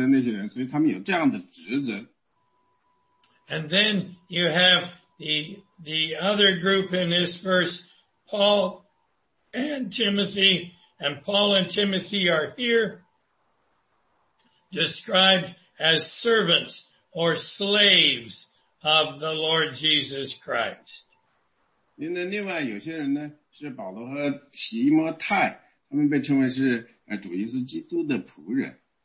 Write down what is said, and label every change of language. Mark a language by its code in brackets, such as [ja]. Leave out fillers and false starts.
[zh] 当中有些人呢，这三个职责都有，因为他们是那些，他们是圣徒，又是监督，又是执事，他们去牧养教会的那些人，所以他们有这样的职责。 [en] And then you have the other group in this verse, Paul and Timothy, and Paul and Timothy are here described as servants or slaves of the Lord Jesus Christ. [zh] 因为另外有些人呢，是保罗和提摩太，他们被称为是主耶稣基督的仆人。